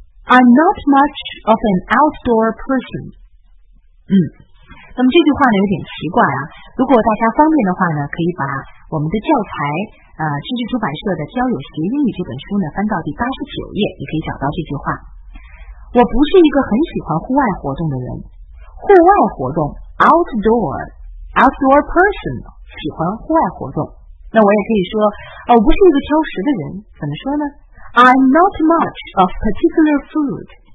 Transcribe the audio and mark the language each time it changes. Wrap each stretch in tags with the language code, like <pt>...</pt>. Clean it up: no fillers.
<en>I'm not much of an outdoor person.</en> <zh>那么这句话呢有点奇怪啊。如果大家方便的话呢，可以把我们的教材知识出版社的交友学英语这本书呢翻到第89页，你可以找到这句话。我不是一个很喜欢户外活动的人。户外活动</zh> <en>outdoor person，</en> <zh>喜欢户外活动。那我也可以说我不是一个挑食的人，怎么说呢？</zh> <en>I'm not much of particular food.</en>